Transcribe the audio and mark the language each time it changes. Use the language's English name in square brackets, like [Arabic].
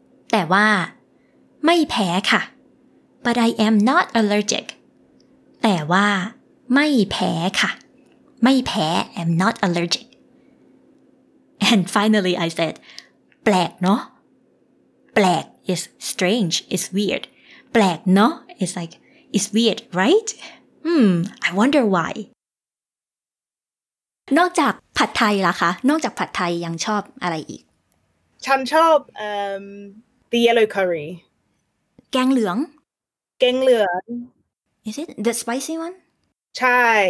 [Thai] แต่ว่าไม่แพ้ค่ะ [English] but I am not allergic [Thai] แต่ว่าไม่แพ้ค่ะไม่แพ้ [English] am not allergic and finally I said [Thai] แปลกเนาะแปลก [English] It's strange, it's weird. Black, no? It's like, it's weird, right? I wonder why. [Thai] นอกจากผัดไทยล่ะคะนอกจากผัดไทยยังชอบอะไรอีก ฉันชอบ [English] the yellow curry. [Thai] แกงเหลือง แกงเหลือง [English] Is it the spicy one? [Thai] ใช่